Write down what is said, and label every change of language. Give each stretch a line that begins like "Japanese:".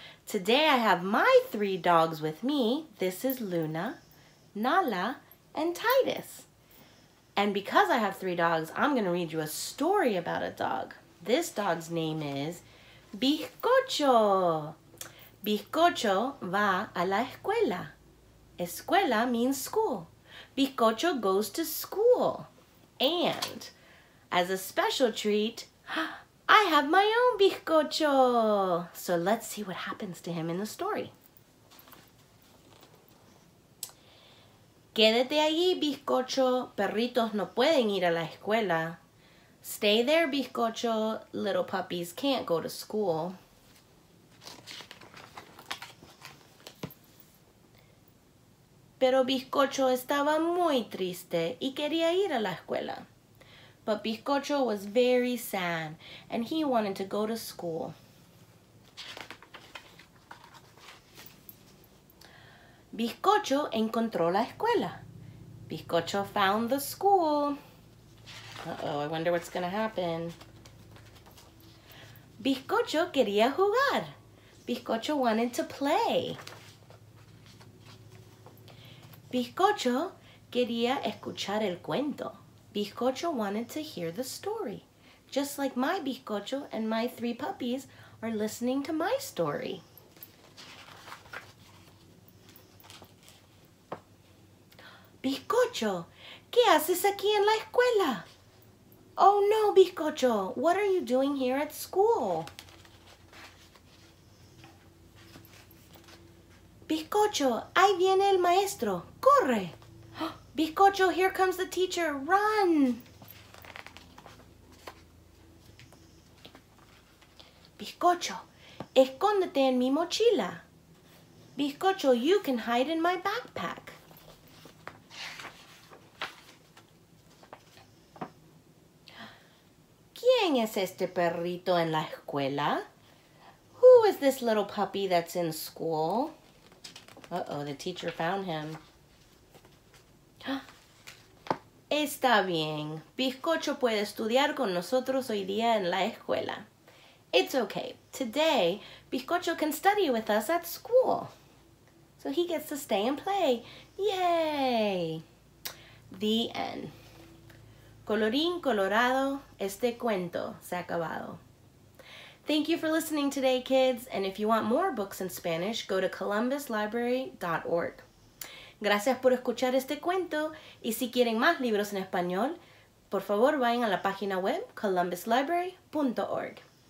English: Today I have my three dogs with me. This is Luna, Nala, and Titus. And because I have three dogs, I'm going to read you a story about a dog. This dog's name is Bizcocho.
Spanish: Bizcocho va a la escuela.
English: Escuela means school. Bizcocho goes to school. And as a special treat, I have my own bizcocho. So let's see what happens to him in the story.
Spanish: Quédate allí, bizcocho. Perritos no pueden ir a la escuela.
English: Stay there, bizcocho. Little puppies can't go to school.
Spanish: Pero bizcocho estaba muy triste y quería ir a la escuela.
English: But Bizcocho was very sad, and he wanted to go to school.
Spanish: Bizcocho encontró la escuela.
English: Bizcocho found the school. Uh-oh, I wonder what's gonna happen.
Spanish: Bizcocho quería jugar.
English: Bizcocho wanted to play.
Spanish: Bizcocho quería escuchar el cuento.
English: Bizcocho wanted to hear the story, just like my bizcocho and my three puppies are listening to my story.
Spanish: Bizcocho, ¿qué haces aquí en la escuela?
English: Oh no, bizcocho, what are you doing here at school?
Spanish: Bizcocho, ahí viene el maestro, corre!
English: Bizcocho, here comes the teacher. Run!
Spanish: Bizcocho, escóndete en mi mochila.
English: Bizcocho, you can hide in my backpack.
Spanish: ¿Quién es este perrito en la escuela?
English: Who is this little puppy that's in school? Uh-oh, the teacher found him.
Spanish: Está bien. Bizcocho puede estudiar con nosotros hoy día en la escuela.
English: It's okay. Today, Bizcocho can study with us at school. So he gets to stay and play. Yay! The end.
Spanish: Colorín colorado, este cuento se ha acabado.
English: Thank you for listening today, kids. And if you want more books in Spanish, go to columbuslibrary.org.
Spanish: Gracias por escuchar este cuento, y si quieren más libros en español, por favor vayan a la página web columbuslibrary.org.